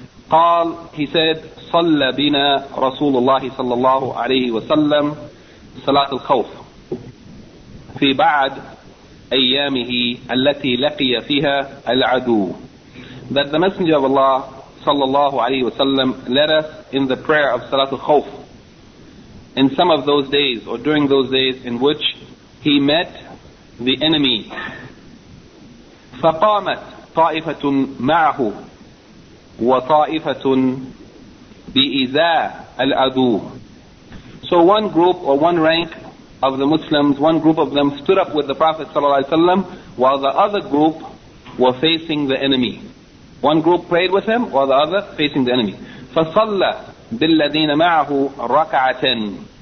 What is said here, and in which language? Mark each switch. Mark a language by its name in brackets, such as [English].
[Arabic] Qal, [English] he said, [Arabic] Salla bina Rasulullah sallallahu alayhi wa sallam Salatul Khawf في بعد أيامه التي لقي فيها العدو. [English] That the Messenger of Allah صلى الله عليه وسلم led us in the prayer of Salat al-Khawf in some of those days, or during those days in which he met the enemy. [Arabic] فقامت طائفة معه وطائفة بإذاء العدو. [English] So one group or one rank of the Muslims, one group of them stood up with the Prophet ﷺ while the other group were facing the enemy. One group prayed with him while the other facing the enemy. [Arabic] فَصَلَّ بِالَّذِينَ مَعَهُ رَكَعَةً.